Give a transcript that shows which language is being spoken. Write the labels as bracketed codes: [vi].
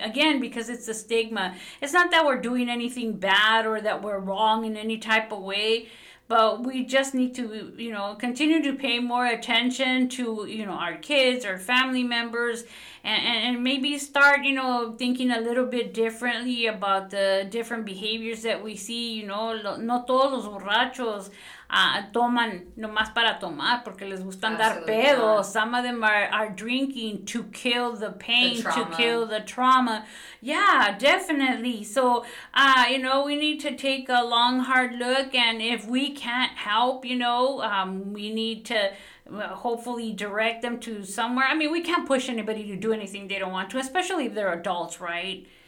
[en] Again, because it's a stigma. It's not that we're doing anything bad or that we're wrong in any type of way. But we just need to, you know, continue to pay more attention to, you know, our kids, our family members, and maybe start, you know, thinking a little bit differently about the different behaviors that we see. You know, [es] no todos los borrachos toman nomás para tomar porque les gusta andar pedo. [en] Some of them are drinking to kill the pain, to kill the trauma. Yeah, definitely. So, you know, we need to take a long, hard look. And if we can't help, you know, we need to hopefully direct them to somewhere. I mean, we can't push anybody to do anything they don't want to, especially if they're adults, right?